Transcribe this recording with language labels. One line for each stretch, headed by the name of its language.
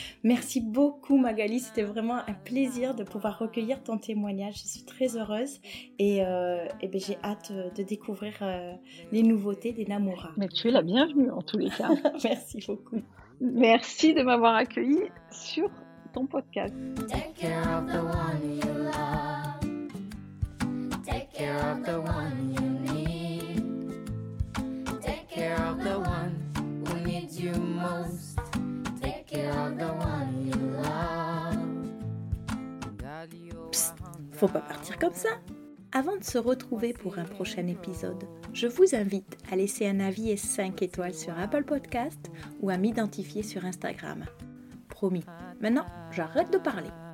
French: Merci beaucoup Magali, c'était vraiment un plaisir de pouvoir recueillir ton témoignage. Je suis très heureuse et ben j'ai hâte de découvrir les nouveautés des Namoura. Mais tu es la bienvenue en tous les cas. Merci beaucoup. Merci de m'avoir accueillie sur ton podcast.
English: Take care of the one you love. Take care of the one you need. Take care of the one who needs you most. Take care of the one you love.
French: Psst, faut pas partir comme ça. Avant de se retrouver pour un prochain épisode, je vous invite à laisser un avis et 5 étoiles sur Apple Podcast ou à m'identifier sur Instagram. Promis, maintenant, j'arrête de parler.